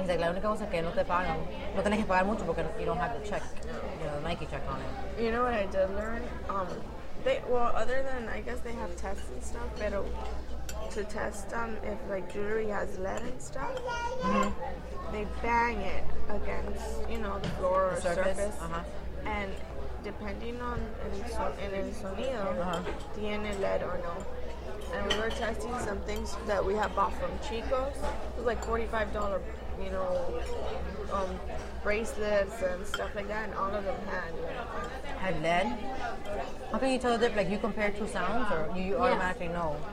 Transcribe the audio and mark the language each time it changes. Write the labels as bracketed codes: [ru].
[en] It's like, [es] la única cosa que no te pagan, no tienes que pagar mucho porque [en] you don't have the check, you know, the Nike check on it. You know what I did learn? Other than, I guess they have tests and stuff, but to test if, like, jewelry has lead and stuff, they bang it against, you know, the floor or surface. Uh-huh. And depending on [es] el sonido, tiene [en] lead or no. And we were testing some things that we had bought from Chico's. It was like $45, you know, bracelets and stuff like that. And all of them had lead. How can you tell the difference? Like, you compare two sounds, or you automatically know?